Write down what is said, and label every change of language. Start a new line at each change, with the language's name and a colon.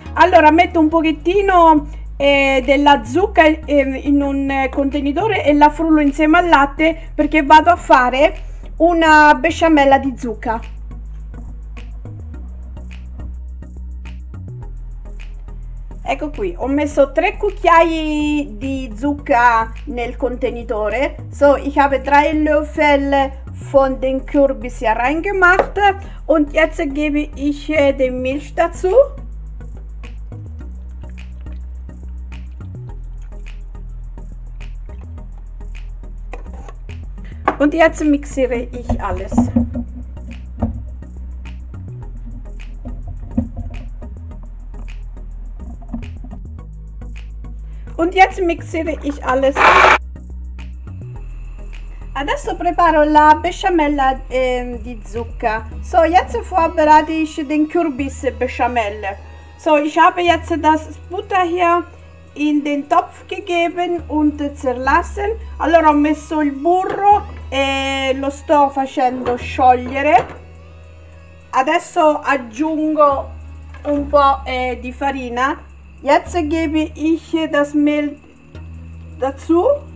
Italian: Allora, metto un pochettino della zucca in un contenitore e la frullo insieme al latte perché vado a fare una besciamella di zucca. Ecco qui, ho messo 3 cucchiai di zucca nel contenitore.
German: So, ich habe 3 Löffel von den Kürbis hier reingemacht und jetzt gebe ich den Milch dazu. Und jetzt mixiere ich alles. Und jetzt mixiere ich alles.
Italian: Adesso preparo la besciamella di zucca.
German: So, jetzt vorbereite ich den Kürbis Besciamelle. So, ich habe jetzt das Butter hier in den Topf gegeben und zerlassen.
Italian: Allora ho messo il burro. E lo sto facendo sciogliere. Adesso aggiungo un po' di farina.
German: Jetzt gebe ich das Mehl dazu.